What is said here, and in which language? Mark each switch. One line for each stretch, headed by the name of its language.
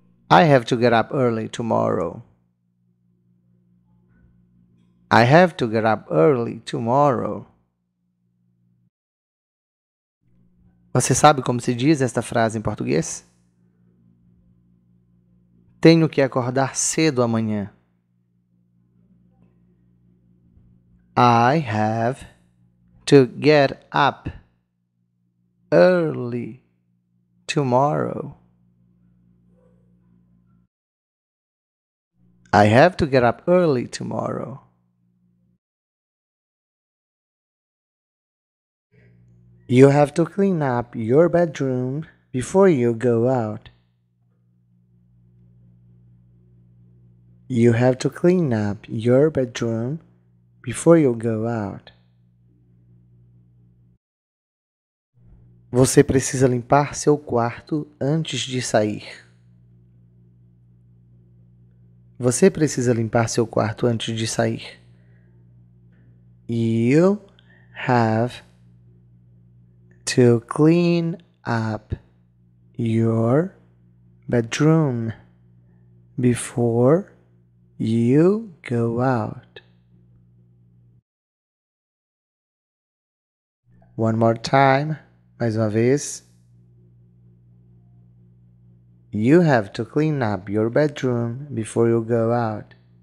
English: I have to get up early tomorrow. I have to get up early tomorrow.
Portuguese: Você sabe como se diz esta frase em português? Tenho que acordar cedo amanhã.
English: I have to get up early tomorrow. I have to get up early tomorrow. You have to clean up your bedroom before you go out. You have to clean up your bedroom before you go out.
Portuguese: Você precisa limpar seu quarto antes de sair. Você precisa limpar seu quarto antes de sair.
English: You have to clean up your bedroom before you go out. One more time,
Portuguese: mais uma vez.
English: You have to clean up your bedroom before you go out.